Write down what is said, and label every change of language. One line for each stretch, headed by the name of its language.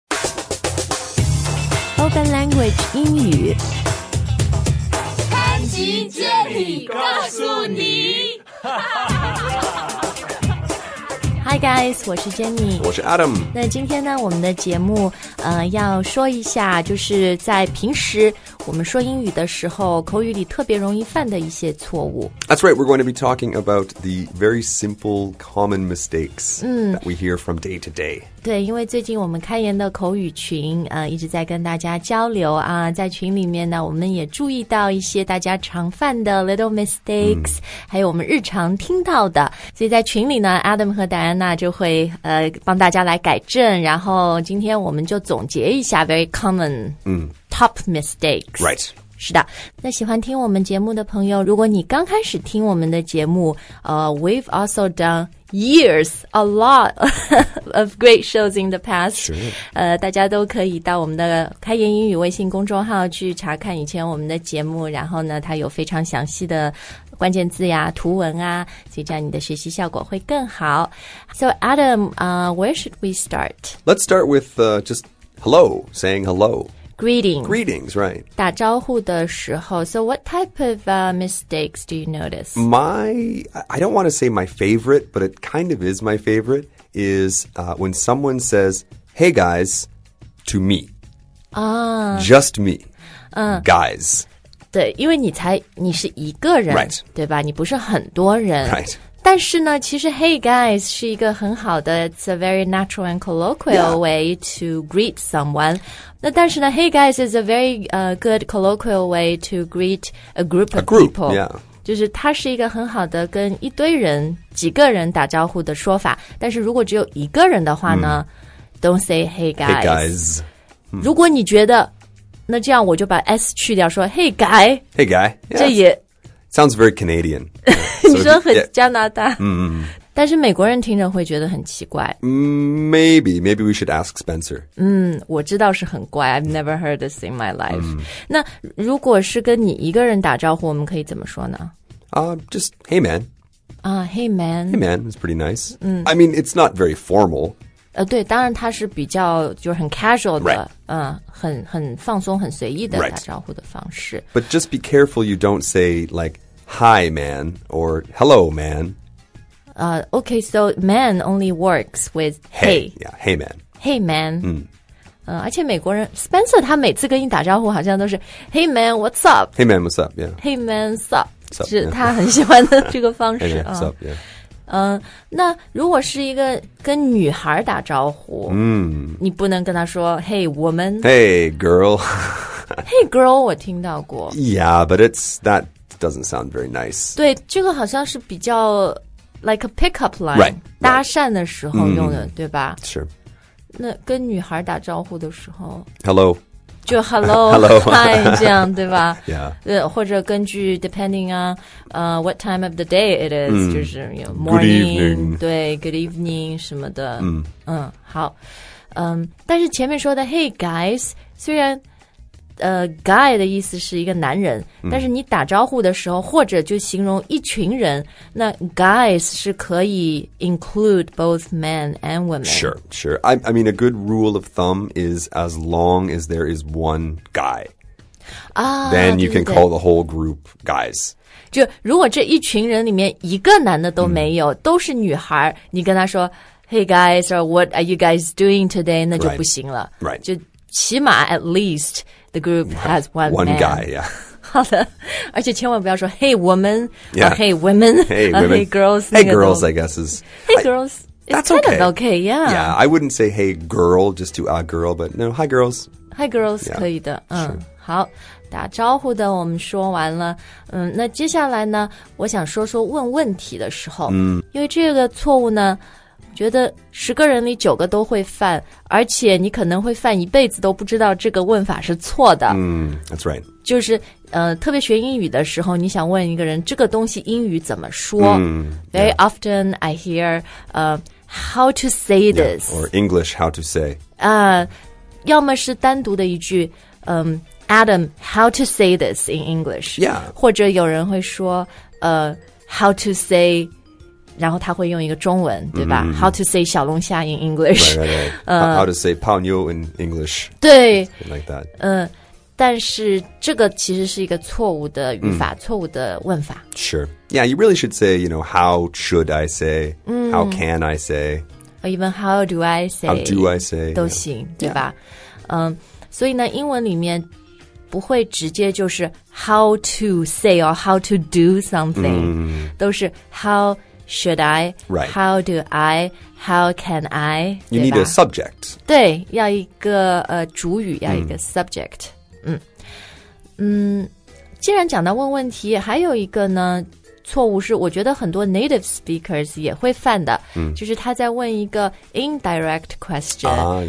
English: Spoken Language 英语。
Chinese: 潘吉接力告诉你。
English: Hi guys,
Chinese: 我是 Jenny. 我是 Adam. 那今天呢我们的节目要说一下就是在平时我们说英语的时候口语里特别容易犯的一些错误。
English: That's right, we're going to be talking about the very simple common mistakes that we hear from day to day.
Chinese: 对，因为最近我们开言的口语群一直在跟大家交流啊，在群里面呢我们也注意到一些大家常犯的
English: little mistakes,
Chinese: 还有我们日常听到的。所以在群里呢 ,Adam 和 Diane那就会帮大家来改正，然后今天我们就总结一下
English: very common top mistakes. Right.
Chinese: 是的，那喜欢听我们节目的朋友，如果你刚开始听我们的节目，
English: we've also done years, a lot of great shows in the past.
Chinese: 大家都可以到我们的开言英语微信公众号去查看以前我们的节目，然后呢，它有非常详细的关键字呀，图文啊，所以这样你的学习效果会更好。
English: So Adam, where should we start? Let's start with just hello, saying hello. Greetings. Greetings, right.
Chinese: 打招呼的时候。
English: So what type of mistakes do you notice? I don't want to say my favorite, but it kind of is my favorite, is when someone says, hey guys, to me. Just me. Guys.
Chinese: 对，因为你是一个人、
English: right.
Chinese: 对吧，你不是很多人、
English: right.
Chinese: 但是呢其实
English: hey guys
Chinese: 是一个很好的
English: it's a very natural and colloquial、 yeah. way to greet someone
Chinese: 那但是呢
English: hey guys is a very good colloquial way to greet a group of people、 yeah.
Chinese: 就是它是一个很好的跟一堆人几个人打招呼的说法但是如果只有一个人的话呢、
English: don't say hey guys, hey guys.、
Chinese: 如果你觉得那这样我就把 S 去掉说 Hey guy
English: Hey guy、yeah.
Chinese: 这也
English: Sounds very Canadian
Chinese: 你说很加拿大、
English: yeah. mm-hmm.
Chinese: 但是美国人听着会觉得很奇怪
English: Maybe we should ask Spencer
Chinese: 我知道是很怪
English: I've never heard this in my life、
Chinese: 那如果是跟你一个人打招呼我们可以怎么说呢、
English: Just hey man、 Hey man Hey man is pretty nice、I mean it's not very formal
Chinese: 对当然它是比较就是很 casual 的、
English: right.
Chinese: 很放松很随意的打招呼的方式、
English: right. But just be careful you don't say like hi man or hello man Okay so man only works with hey, hey. Yeah, hey man Hey man、 mm.
Chinese: 而且美国人 Spencer 他每次跟你打招呼好像都是
English: Hey man what's up Hey man what's up、yeah. Hey man sup
Chinese: 是他很喜欢的这个方式
English: Hey man what's up、yeah.
Chinese: 那如果是一个跟女孩打招呼、你不能跟她说 Hey woman
English: Hey girl
Chinese: Hey girl 我听到过
English: Yeah but that doesn't sound very nice
Chinese: 对这个好像是比较
English: Like a pickup line right,
Chinese: 搭讪的时候用的、对吧是那跟女孩打招呼的时候
English: Hello
Chinese: 就 Hello Hi 这样对吧
English: Yeah
Chinese: 或者根据
English: Depending onWhat time of the day it is,
Chinese: 就是
English: you know, morning, good evening.
Chinese: 对 good evening 什么的。好。但是前面说的 hey guys, 虽然guy 的意思是一个男人、但是你打招呼的时候或者就形容一群人那 guys 是可以
English: include both men and women. Sure. I mean, a good rule of thumb is as long as there is one guy,then you can call the whole group guys.
Chinese: 就如果这一群人里面一个男的都没有、都是女孩你跟他说
English: Hey guys or what are you guys doing today
Chinese: 那就不行了
English: right.
Chinese: 就起码
English: at least the group has one man. One guy, yeah. 好的而且千万不要说 Hey woman or Hey women Hey girls Hey girls I guess is Hey girls That's okay kind of okay, yeah Yeah, I wouldn't say hey girl just to a girl but no, hi girls Hi girls、 yeah.
Chinese: 可以的好打招呼的我们说完了那接下来呢我想说说问问题的时候因为这个错误呢觉得十个人里九个都会犯而且你可能会犯一辈子都不知道这个问法是错的
English: That's right
Chinese: 就是特别学英语的时候你想问一个人这个东西英语怎么说、
English: Very often I hear how to say this yeah, or English how to say
Chinese: 要么是单独的一句
English: Adam, how to say this in English? Yeah.
Chinese: 或者有人会说,
English: how to say
Chinese: 然后他会用一个中文对吧、mm-hmm.
English: How to say 小龙虾 in English right. How to say 泡妞 in English
Chinese: 对
English: like that、
Chinese: 但是这个其实是一个错误的语法、mm. 错误的问法
English: Sure Yeah you really should say You know How should I say、mm. How can I say Or even how do I say How do I say
Chinese: 都行、yeah. 对吧、所以呢英文里面不会直接就是
English: how to say or how to do something、
Chinese: mm. 都是
English: how should I、 right. how do I how can I you need a subject
Chinese: 对要一个、主语要一个 subject、mm. 既然讲到问问题还有一个呢错误是我觉得很多
English: native speakers
Chinese: 也会犯的、mm. 就是他在问一个 indirect question、